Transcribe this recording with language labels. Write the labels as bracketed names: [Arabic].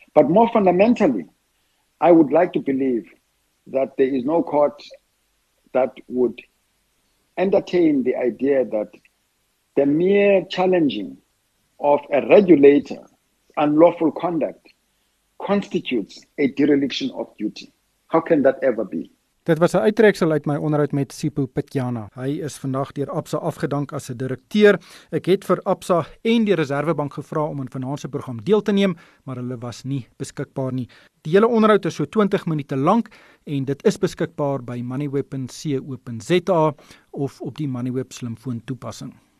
[English] But more fundamentally, I would like to believe that there is no court that would entertain the idea that the mere challenging of a regulator's unlawful conduct constitutes a dereliction of duty. How can that ever be? [Afrikaans] Dit was 'n uittreksel uit my onderhoud met Sipho Pityana. Hy is vandag deur APSA afgedank as 'n direkteur. Ek het vir APSA en die Reservebank gevra om in vanaand se program deel te neem, maar hulle was nie beskikbaar nie. Die hele onderhoud is so 20 minute lank en dit is beskikbaar by moneyweb.co.za of op die Moneyweb slimfoon toepassing.